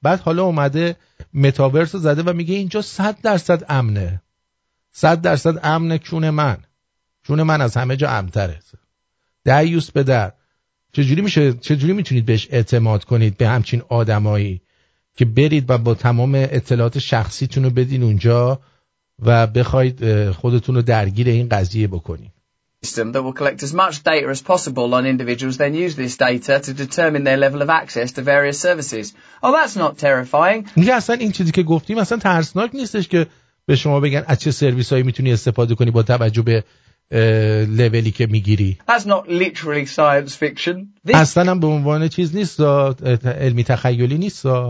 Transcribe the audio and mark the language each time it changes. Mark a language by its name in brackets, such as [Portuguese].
[Persian] بعد حالا اومده متاورس رو زده و میگه اینجا 100% امنه، 100% امنه، چون من از همه جا امن‌تره. دعیوس پدر، چجوری میتونید بهش اعتماد کنید، به همچین آدمایی که برید و با تمام اطلاعات شخصیتون رو بدین اونجا و بخواید خودتون رو درگیر این قضیه بکنید. [English] system that will collect as much data as possible on individuals, then use this data to determine their level of access to various services. Oh, that's not terrifying. [Persian] میگه اصلا این چیزی که گفتیم اصلا ترسناک نیستش که به شما بگن از چه سرویس هایی میتونی استفاده کنی با توجه به لیولی که میگیری. [English] That's not literally science fiction. [Persian] اصلا هم به عنوان چیز نیست، علمی تخیلی نیست.